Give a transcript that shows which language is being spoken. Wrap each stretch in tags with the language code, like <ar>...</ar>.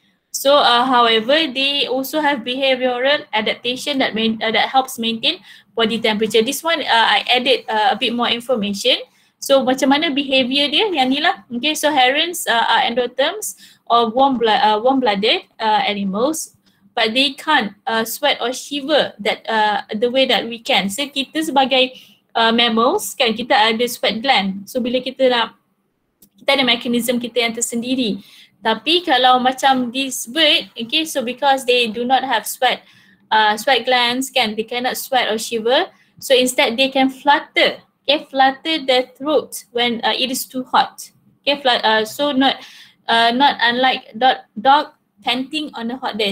<en>So however, they also have behavioral adaptation that helps maintain body temperature. This one I added a bit more information. So</en> <ms>macam mana behavior dia, yang ni lah.</ms> <en>Okay, so herons are endotherms or warm-blooded animals, but they can't sweat or shiver that the way that we can.</en> <ms>So kita sebagai mammals, kan, kita ada sweat gland. So bila kita nak, kita ada mekanisme kita yang tersendiri. Tapi kalau macam</ms> <en>this bird, okay, so because they do not have sweat glands, kan, they cannot sweat or shiver. So instead they can flutter. Okay, flutter their throat when it is too hot. Okay, not unlike dog panting on a hot day.</en>